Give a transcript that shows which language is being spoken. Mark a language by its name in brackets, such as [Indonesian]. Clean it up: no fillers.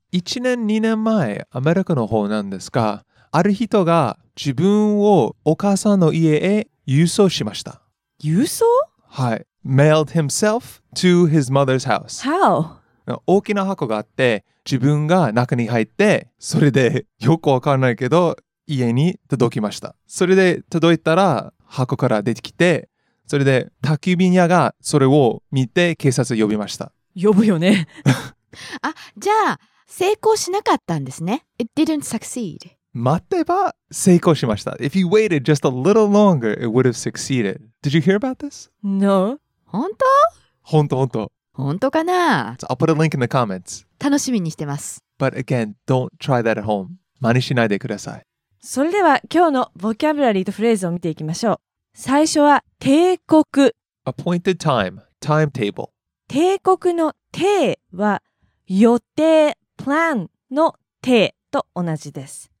[Japanese] 1年、2年前、アメリカの方なんですが、ある人が自分をお母さんの家へ郵送しました。郵送？ [English] はい。Mailed himself to his mother's house. How? [Japanese] 大きな箱があって、自分が中に入って、それでよくわからないけど、家に届きました。それで届いたら、箱から出てきて、それで宅急便屋がそれを見て警察呼びました。呼ぶよね。あ、じゃあ成功しなかったんですね。 [English] It didn't succeed. [Japanese] 待てば成功しました。 [English] If you waited just a little longer, it would have succeeded. Did you hear about this? No. [Japanese] 本当？本当本当。本当かな？ [English] So I'll put a link in the comments. [Japanese] 楽しみにしてます。 [English] But again, don't try that at home. [Japanese] 真似しないでください。それでは今日のボキャブラリーとフレーズを見ていきましょう。最初は定刻。 [English] Appointed time, timetable. [Japanese] 定刻の定は予定、plan の定と同じです。